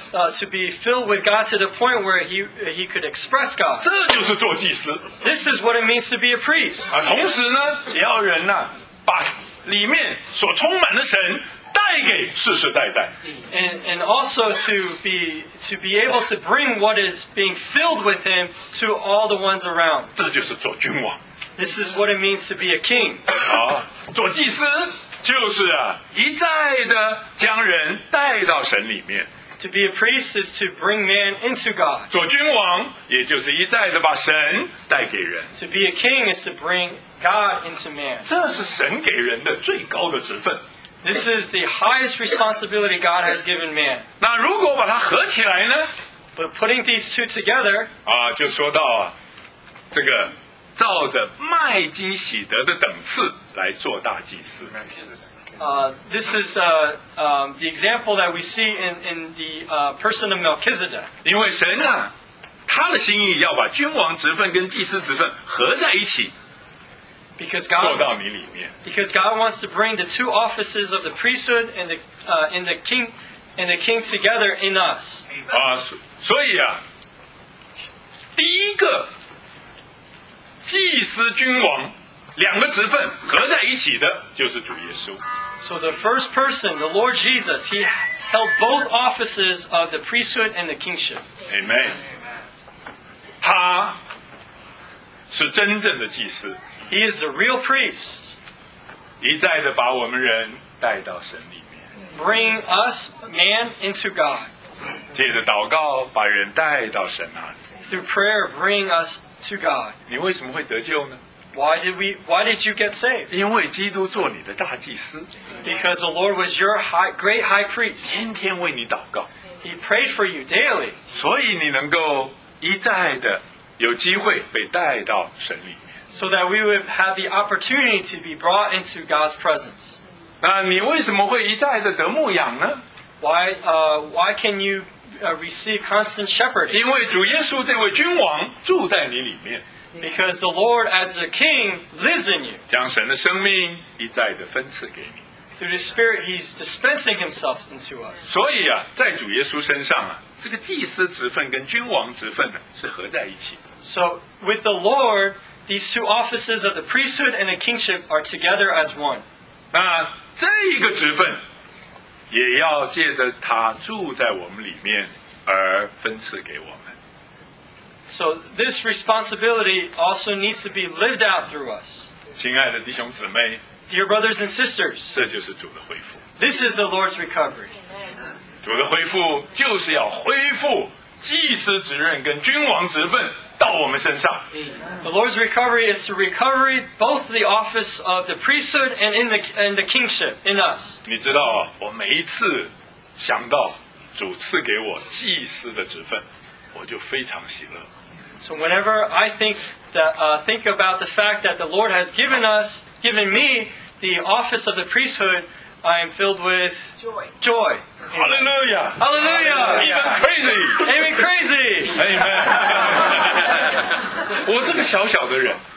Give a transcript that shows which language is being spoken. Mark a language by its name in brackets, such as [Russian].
[English] To be filled with God to the point where he could express God. [Chinese] 这就是做祭司。 [English] This is what it means to be a priest. [Chinese] 同时呢，也要人呢，把里面所充满的神带给世世代代。 [English] And also to be able to bring what is being filled with him to all the ones around. [Chinese] 这就是做君王。 [English] This is what it means to be a king. [Chinese] 做祭司就是啊，一再的将人带到神里面。 [English] To be a priest is to bring man into God. [Chinese] 做君王也就是一再的把神带给人。 [English] To be a king is to bring God into man. [Chinese] 这是神给人的最高的职分。 [English] This is the highest responsibility God has given man. [Chinese] 那如果把它合起来呢？ [English] But putting these two together, [Chinese] 就说到啊，这个照着麦基洗德的等次来做大祭司。 [English] This is the example that we see in the person of Melchizedek. [Chinese] 因为神啊，他的心意要把君王职分跟祭司职分合在一起。 [English] Because God wants to bring the two offices of the priesthood and the king together in us. [Chinese] 所以啊，第一个祭司君王两个职分合在一起的就是主耶稣。 [English] So the first person, the Lord Jesus, he held both offices of the priesthood and the kingship. [Chinese] Amen. 他是真正的祭司。 [English] He is the real priest. [Chinese] 一再的把我们人带到神里面。 [English] Bring us, man, into God. [Chinese] 借着祷告把人带到神那里。 [English] Through prayer, bring us to God. [Chinese] 你为什么会得救呢？ [English] Why did you get saved? [Chinese] 因为基督做你的大祭司。 [English] Because the Lord was your great high priest. [Chinese] 天天为你祷告。 [English] He prayed for you daily. [Chinese] 所以你能够一再的有机会被带到神里。 [English] So that we would have the opportunity to be brought into God's presence. [Chinese] 那你为什么会一再的得牧养呢？ [English] Why can you receive constant shepherding. [Chinese] 因为主耶稣这位君王住在你里面。 [English] Because the Lord as a king lives in you. [Chinese] 将神的生命一再的分赐给你。 [English] Through the Spirit, He's dispensing Himself into us. [Chinese] 所以啊，在主耶稣身上啊，这个祭司职分跟君王职分呢，是合在一起的。 [English] So with the Lord, these two offices of the priesthood and the kingship are together as one. [Chinese] 那这一个职分，也要借着他住在我们里面而分赐给我们。 [English] So this responsibility also needs to be lived out through us. [Chinese] 亲爱的弟兄姊妹。 [English] Dear brothers and sisters, [Chinese] 这就是主的恢复。 [English] This is the Lord's recovery. [Chinese] 主的恢复就是要恢复祭司职任跟君王职分到我们身上。 [English] The Lord's recovery is to recover both the office of the priesthood and the kingship in us. [Chinese] 你知道，我每一次想到主赐给我祭司的职分，我就非常喜乐。 [English] So whenever I think about the fact that the Lord has given me the office of the priesthood, I am filled with joy. Joy. Hallelujah. Hallelujah. Even crazy. Even crazy. [Chinese] Amen. 我这个小小的人。